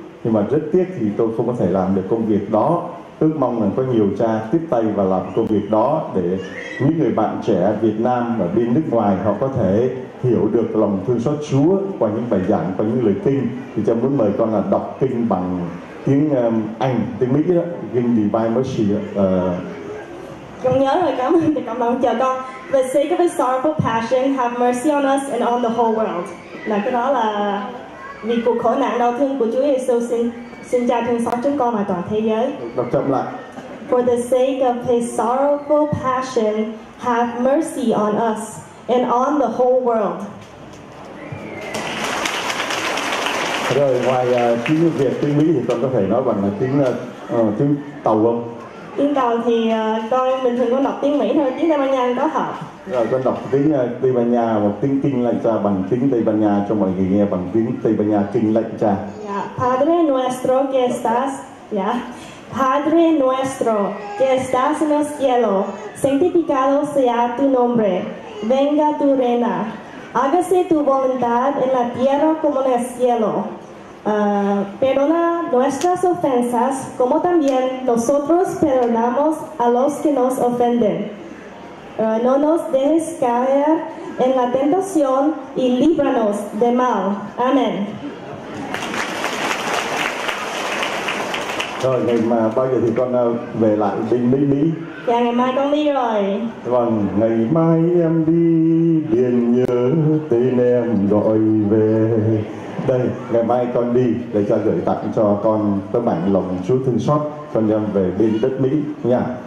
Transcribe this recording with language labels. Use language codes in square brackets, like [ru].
[vi] Nhưng mà rất tiếc thì tôi không có thể làm được công việc đó. Ước mong là có nhiều cha tiếp tay và làm công việc đó để những người bạn trẻ Việt Nam ở bên nước ngoài họ có thể hiểu được lòng thương xót Chúa qua những bài giảng, qua những lời kinh. Thì cha muốn mời con là đọc kinh bằng tiếng Anh, tiếng Mỹ đó, kinh Divine Mercy. Con nhớ rồi, cảm ơn thầy, cảm ơn chờ con. [en] The sake of his sorrowful passion, have mercy on us and on the whole world. [vi] Là cái đó là vì cuộc khổ nạn đau thương của Chúa Giêsu, xin cha thương xót chúng con và toàn thế giới. Đọc chậm lại. [en] For the sake of his sorrowful passion, have mercy on us and on the whole world. [vi] Rồi ngoài tiếng Việt, tiếng Mỹ thì con có thể nói bằng tiếng Tàu không? Tiếng Tàu thì con bình thường con đọc tiếng Mỹ thôi, tiếng Tây Ban Nha có học. Rồi con đọc tiếng Tây Ban Nha và tiếng Kinh Lạy Cha bằng tiếng Tây Ban Nha cho mọi người nghe, bằng tiếng Tây Ban Nha Kinh Lạy Cha. [es] Padre nuestro que estás, Padre nuestro que estás en el cielo, santificado sea tu nombre, venga tu reina, hágase tu voluntad en la tierra como en el cielo. Perdona nuestras ofensas como también nosotros perdonamos a los que nos ofenden. No nos dejes caer en la tentación y líbranos de mal. Amén. [vi] Rồi ngày mà bao giờ thì con về lại bên Mỹ? Dạ ngày mai con đi rồi. Vâng, ngày mai em đi, điền nhớ tên em gọi về. Đây, ngày mai con đi để cha gửi tặng cho con tấm ảnh lòng Chúa thương xót, con đem về bên đất Mỹ nha.